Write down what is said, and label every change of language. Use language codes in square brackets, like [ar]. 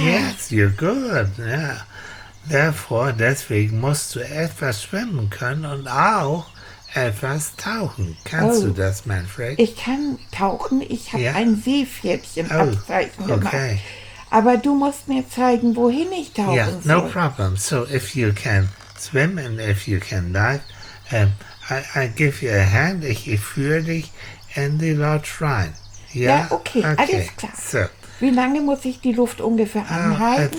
[en] Yes, you're good. Yeah. [de] Deswegen musst du etwas schwimmen können und auch etwas tauchen. Kannst du das, Manfred? Ich kann tauchen. Ich habe ein Seepferdchen abzeichen gemacht. Aber du musst mir zeigen, wohin ich tauchen soll. [en] Yeah, no problem. So, if you can swim and if you can dive, I give you a hand. [de] Ich führe dich in die Lodge rein. Yeah? Ja, okay, alles klar. So, wie lange muss ich die Luft ungefähr anhalten?